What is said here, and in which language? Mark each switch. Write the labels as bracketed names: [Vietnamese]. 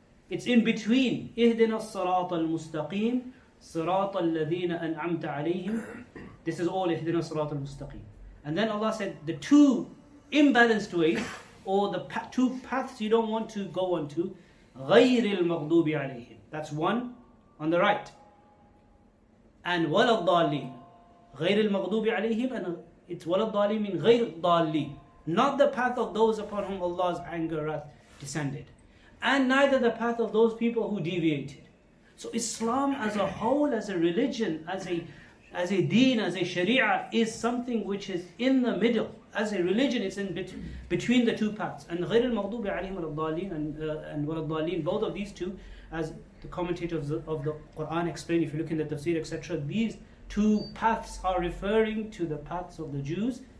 [English] It's in between. [Arabic] Ihdina as-sirat al-mustaqim. صراط الذين أنعمت عليهم. [English] This is all [Arabic] إهدنا صراط المستقيم. [English] And then Allah said, the two imbalanced ways, or the two paths you don't want to go on to, [Arabic] غير المغضوب عليهم. [English] That's one on the right. [Arabic] And ولا الضالين. غير المغضوب عليهم. And it's ولا الضالين means غير الضالين. [English] Not the path of those upon whom Allah's anger wrath descended. And neither the path of those people who deviated. So Islam as a whole, as a religion, as a deen, as a sharia, is something which is in the middle. As a religion, it's in between the two paths. And [Arabic] غير المغضوب عليهم والضالين [English] and [Arabic] ولا الضالين, [English] both of these two, as the commentators of the Quran explain, if you look in the tafsir, etc., these two paths are referring to the paths of the Jews.